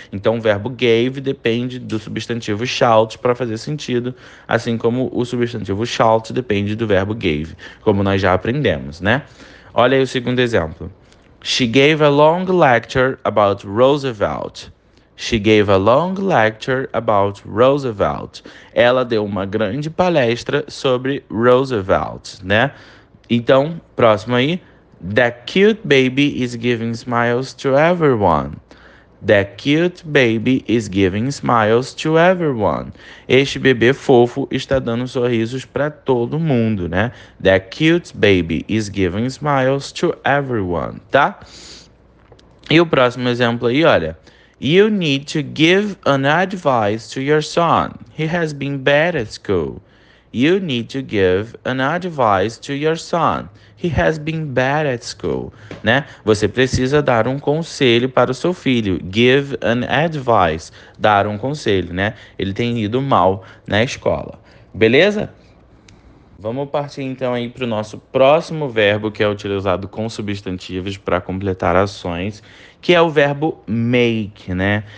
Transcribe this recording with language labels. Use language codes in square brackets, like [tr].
[pt] Então o verbo gave depende do substantivo shout para fazer sentido, assim como o substantivo shout depende do verbo gave, como nós já aprendemos, né? Olha aí o segundo exemplo. [en] She gave a long lecture about Roosevelt. She gave a long lecture about Roosevelt. [pt] Ela deu uma grande palestra sobre Roosevelt, né? Então, próximo aí. [en] That cute baby is giving smiles to everyone. That cute baby is giving smiles to everyone. [pt] Este bebê fofo está dando sorrisos para todo mundo, né? [en] That cute baby is giving smiles to everyone, tá? [pt] E o próximo exemplo aí, olha. [en] You need to give an advice to your son. He has been bad at school. You need to give an advice to your son. He has been bad at school, né? [pt] Você precisa dar um conselho para o seu filho. [en] Give an advice, [pt] dar um conselho, né? Ele tem ido mal na escola. Beleza? Vamos partir então aí para o nosso próximo verbo que é utilizado com substantivos para completar ações, que é o verbo make, né?